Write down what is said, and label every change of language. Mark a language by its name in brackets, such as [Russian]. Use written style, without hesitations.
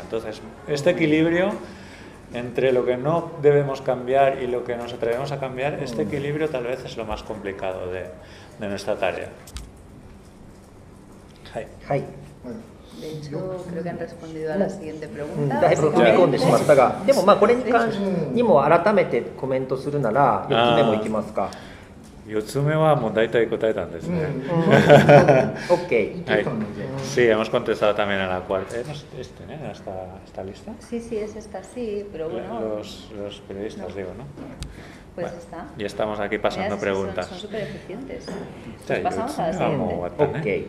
[Spanish] Entonces, este equilibrio entre lo que no debemos cambiar y lo que nos atrevemos a cambiar, este equilibrio tal vez es lo más complicado de nuestra tarea. [Japanese] Hi. [Spanish] De hecho, creo que han respondido a la siguiente pregunta. [Japanese] だいぶ踏み込んでしまったが、でもまあこれに関しても改めてコメントするなら、4つ目もいきますか。 4つ目はもう大体答えたんですね。 OK。はい。 [Spanish] Sí, hemos contestado también a la cuarta. ¿Hemos este, ¿no? ¿Esta lista? Sí, sí, es esta, sí, pero bueno. Los periodistas, digo, ¿no? Pues está. Y estamos aquí pasando preguntas. Son súper eficientes. Pues pasamos a la siguiente.